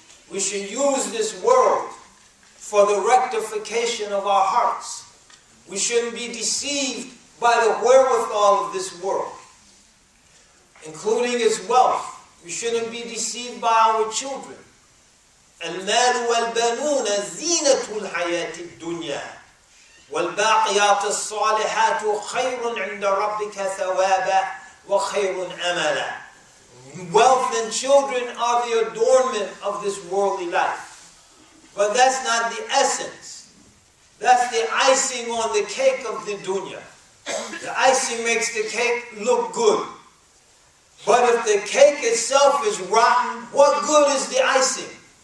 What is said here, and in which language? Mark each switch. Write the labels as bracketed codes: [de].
[en] We should use this world for the rectification of our hearts. We shouldn't be deceived by the wherewithal of this world, including its wealth. We shouldn't be deceived by our children. [ar] المال والبنون زينة الحياة الدنيا والباقيات الصالحات خير عند ربك ثوابا وخير أملا. [en] Wealth and children are the adornment of this worldly life. But that's not the essence. That's the icing on the cake of the dunya. The icing makes the cake look good. But if the cake itself is rotten, what good is the icing?